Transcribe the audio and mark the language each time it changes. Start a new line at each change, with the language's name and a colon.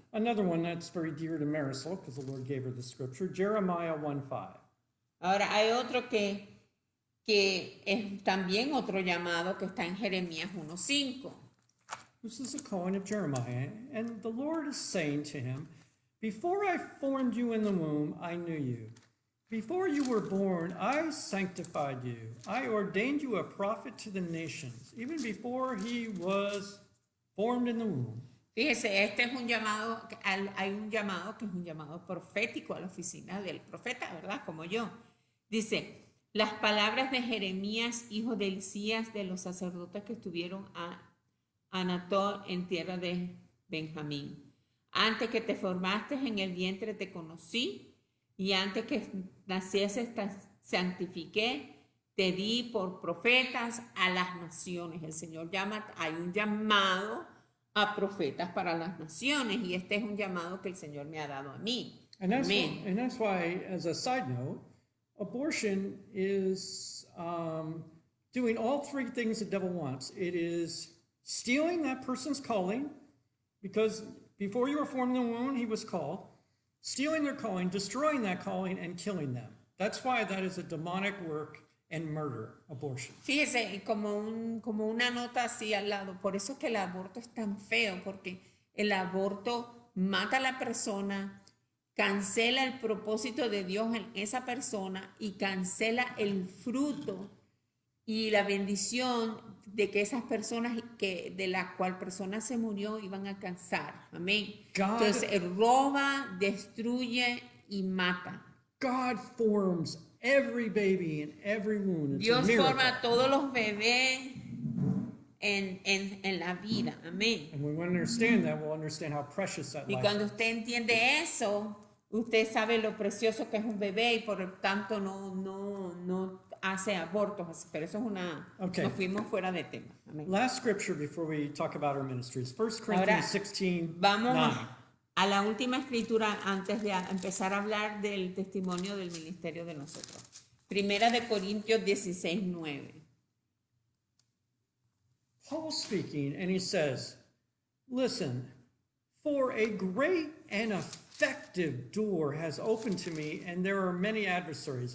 English: Another one that's very dear to Marisol, because the Lord gave her the scripture, Jeremiah 1:5.
Spanish: Ahora hay otro que es también otro llamado, que está en Jeremías 1:5.
English: This is a calling of Jeremiah, and the Lord is saying to him, before I formed you in the womb, I knew you. Before you were born, I sanctified you. I ordained you a prophet to the nations, even before he was formed in the womb.
Spanish: Fíjese, este es un llamado, hay un llamado que es un llamado profético a la oficina del profeta, ¿verdad? Como yo. Dice, las palabras de Jeremías, hijo de Elías, de los sacerdotes que estuvieron a Anatol en tierra de Benjamín. Antes que te formaste en el vientre te conocí, y antes que naciese te santifiqué, te di por profetas a las naciones. El Señor llama, hay un llamado a profetas para las naciones, y este es un llamado que el Señor me ha dado a mí.
English: And that's, and that's why, as a side note, abortion is doing all three things the devil wants. It is stealing that person's calling, because before you were formed in the womb, he was called. Stealing their calling, destroying that calling, and killing them. That's why that is a demonic work. And murder, abortion.
Spanish: Fíjese, como una nota así al lado, por eso es que el aborto es tan feo, porque el aborto mata a la persona, cancela el propósito de Dios en esa persona y cancela el fruto y la bendición de que esas personas que, de la cual persona se murió iban a alcanzar. Amén.
English: God,
Spanish: entonces roba, destruye y mata.
English: God forms every baby in every womb. It's
Spanish: Dios
English: a miracle.
Spanish: Forma todos los bebés en la vida. Amén.
English: And when we understand that, we'll understand how precious that life is.
Spanish: Y cuando usted entiende eso, usted sabe lo precioso que es un bebé y por tanto no hace abortos, pero eso es una.
English: Okay.
Spanish: Nos fuimos fuera de tema. Amén.
English: Last scripture before we talk about our ministries. 1 Corinthians
Spanish: Ahora,
English: 16.
Spanish: Vamos
English: 9.
Spanish: A la última escritura antes de empezar a hablar del testimonio del ministerio de nosotros. Primera de Corintios 16, 9.
English: Paul speaking and he says, listen, for a great and effective door has opened to me and there are many adversaries.